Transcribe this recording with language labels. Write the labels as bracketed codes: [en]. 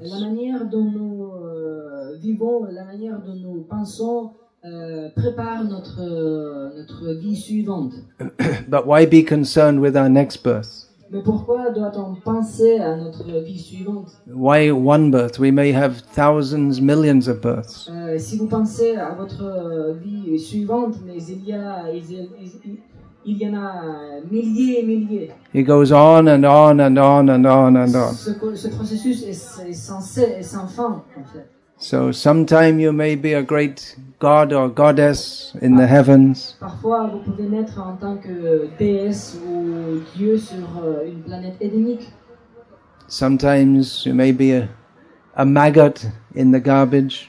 [fr] La manière dont nous vivons, la manière dont nous pensons, prépare notre vie suivante. [en] But why be concerned with our next birth? [fr] Mais pourquoi doit-on penser à notre vie suivante? [en] Why one birth? We may have thousands, millions of births. [fr] Si vous pensez à votre vie suivante, mais il y en a milliers et milliers. [en] It goes on and on and on and on and on. [fr] Ce processus est censé et sans fin, en fait. [en] So sometime you may be a great god or goddess in the heavens. [fr] Parfois vous pouvez naître en tant que déesse ou dieu sur une planète édénique. [en] Sometimes you may be a maggot in the garbage.